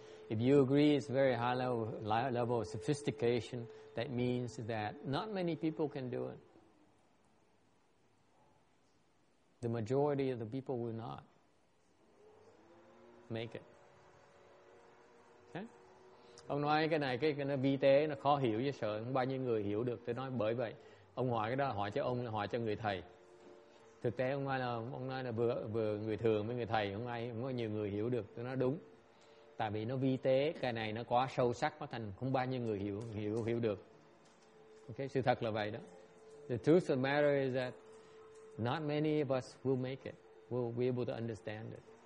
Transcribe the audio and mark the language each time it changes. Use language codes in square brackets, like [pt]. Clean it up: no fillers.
[en] If you agree it's very high level of sophistication, that means that not many people can do it. The majority of the people will not make it. Okay? [vi] Ông nói cái này nó vi tế, nó khó hiểu, chứ sợ không bao nhiêu người hiểu được. Tôi nói bởi vậy, ông hỏi cái đó, hỏi cho ông, hỏi cho người thầy. Thực tế ông nói là vừa người thường với người thầy, không có nhiều người hiểu được. Tôi nói đúng. Tại vì nó vi tế, cái này nó quá sâu sắc, nó thành không bao nhiêu người hiểu được. Okay, sự thật là vậy đó. [en] The truth of the matter is that not many of us will make it, will be able to understand it.